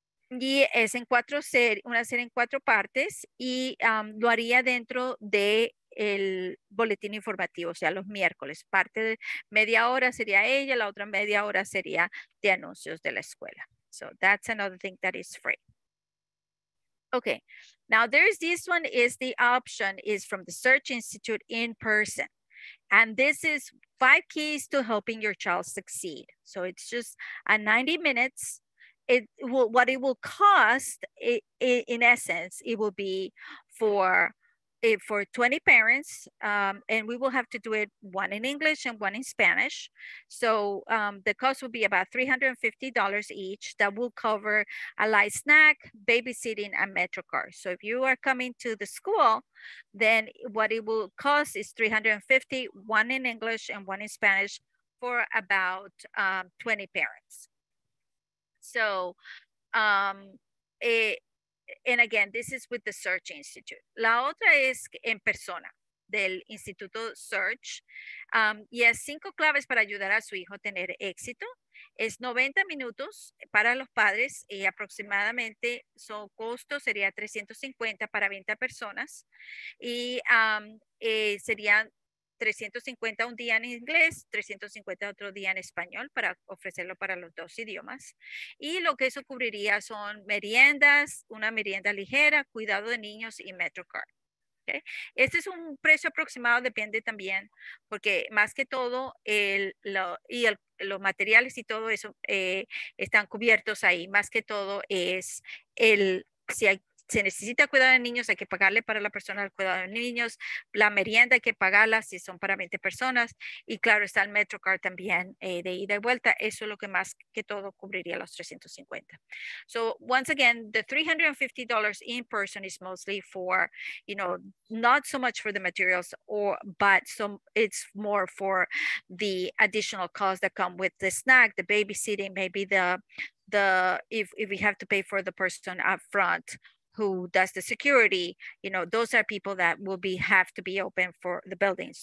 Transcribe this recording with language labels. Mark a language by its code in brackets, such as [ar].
[es] Y es en una serie en cuatro partes y lo haría dentro de el boletín informativo, o sea, los miércoles. Parte de media hora sería ella, la otra media hora sería de anuncios de la escuela. [en] So that's another thing that is free. Okay, now there is this one is the option is from the Search Institute in person. And this is 5 keys to helping your child succeed. So it's just a 90 minutes. It will, what it will cost, in essence, it will be for 20 parents, and we will have to do it one in English and one in Spanish. So the cost will be about $350 each. That will cover a light snack, babysitting, and metro card. So if you are coming to the school, then what it will cost is $350, one in English and one in Spanish for about 20 parents. So, and again, this is with the Search Institute. [es] La otra es en persona, del Instituto Search. Yes, 5 claves para ayudar a su hijo a tener éxito. Es 90 minutos para los padres y aproximadamente su costo sería $350 para 20 personas. Y sería $350 un día en inglés, $350 otro día en español para ofrecerlo para los dos idiomas. Y lo que eso cubriría son meriendas, una merienda ligera, cuidado de niños y MetroCard. ¿Okay? Este es un precio aproximado, depende también, porque más que todo los materiales y todo eso están cubiertos ahí. Más que todo es si necesita cuidar a niños, hay que pagarle para la persona el cuidado de niños. La merienda hay que pagarla si son para 20 personas. Y claro, está el MetroCard también de ida y vuelta. Eso es lo que más que todo cubriría los $350. [en] So once again, the $350 in person is mostly for, you know, not so much for the materials, it's more for the additional costs that come with the snack, the babysitting, maybe if we have to pay for the person up front who does the security, you know, those are people that will be have to be open for the building.